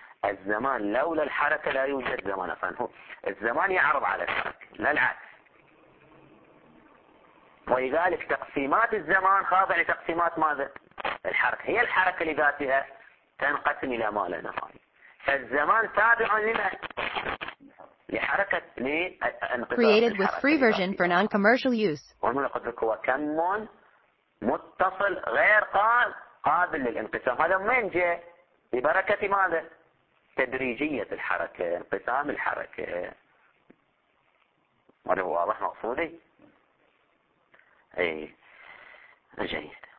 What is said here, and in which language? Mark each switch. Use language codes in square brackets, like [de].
[ar] الزمان لولا الحركة لا يوجد زمان. فهو الزمان يعرض على الحركة لا العكس. ولذلك تقسيمات الزمان خاضعة لتقسيمات ماذا؟ الحركة. هي الحركة لذاتها تنقسم إلى ما لا نهاية. فالزمان تابع لحركة [en] Created with free version for non-commercial use. [ar] كم متصل غير قابل للانقسام. هذا من جاء ببركة ماذا؟ تدريجية الحركة، انقسام الحركة. هذا هو واضح مقصودي. إيه جيد.